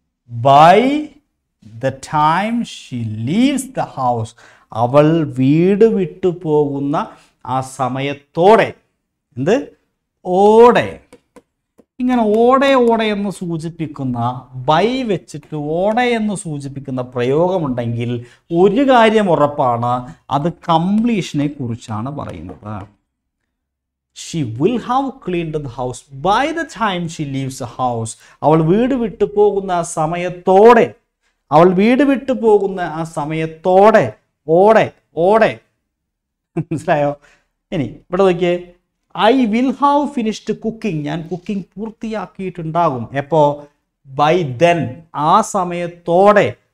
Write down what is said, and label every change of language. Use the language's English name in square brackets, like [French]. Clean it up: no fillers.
[English] By the time she leaves the house, [Malayalam] അവൾ വീട് വിട്ടു പോകുന്ന ആ സമയത്തോടെ, എന്ത് ഓടെ, ഇങ്ങനെ ഓടെ ഓടെ എന്ന് സൂചിപ്പിക്കുന്ന ബൈ വെച്ചിട്ട് ഓടെ എന്ന് സൂചിപ്പിക്കുന്ന പ്രയോഗമുണ്ടെങ്കിൽ ഒരു കാര്യം ഉറപ്പാണ്, അത് കംപ്ലീഷനെ കുറിച്ചാണ് പറയുന്നത്. [English] She will have cleaned the house by the time she leaves the house. [Malayalam] അവൾ വീട് വിട്ടു പോകുന്ന ആ സമയത്തോടെ, അവൾ വീട് വിട്ടു പോകുന്ന ആ സമയത്തോടെ ഓടെ ഓടെ, മനസ്സിലായോ? ഇനി ഇവിടെ നോക്കിയേ, [English] I will have finished cooking, [Malayalam] ഞാൻ കുക്കിംഗ് പൂർത്തിയാക്കിയിട്ടുണ്ടാകും. എപ്പോ? [English] by then, [Malayalam] ആ സമയത്തോടെ